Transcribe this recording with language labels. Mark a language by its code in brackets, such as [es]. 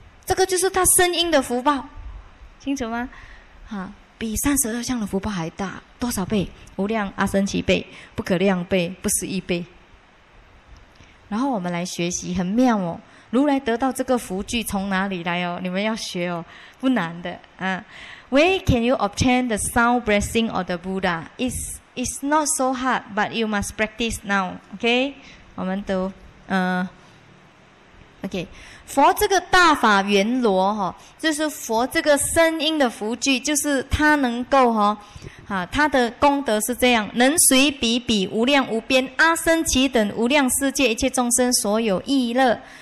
[zh] 这个就是他声音的福报，清楚吗？啊，比三十二相的福报还大，多少倍？无量阿僧祇倍，不可量倍，不思议倍。然后我们来学习，很妙哦。如来得到这个福聚从哪里来哦？你们要学哦，不难的啊。 [en] Where can you obtain the sound blessing of the Buddha? It's not so hard, but you must practice now. [zh] OK， 我们都OK， 佛这个大法圆罗哈，就是佛这个声音的福聚，就是他能够哈，啊，他的功德是这样，能随彼彼无量无边阿僧祇等无量世界一切众生所有意乐。